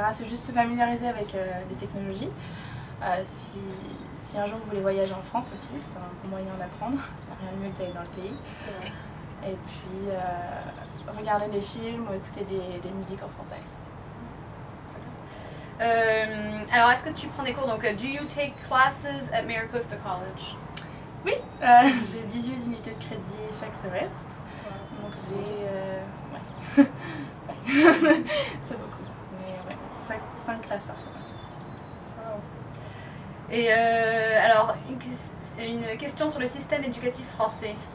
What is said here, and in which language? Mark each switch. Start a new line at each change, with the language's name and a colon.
French: C'est juste se familiariser avec les technologies. Si un jour vous voulez voyager en France aussi, c'est un moyen d'apprendre. Il n'y a rien de mieux que d'aller dans le pays. Ouais. Et puis, regarder des films ou écouter des musiques en français. Alors, est-ce que tu prends des cours?
English: Donc, do you take classes at Miracosta College?
French: Oui, j'ai 18 unités de crédit chaque semestre. Ouais. Donc, j'ai... C'est beaucoup, mais ouais, 5 classes par semaine. Et alors, une question sur le système éducatif français.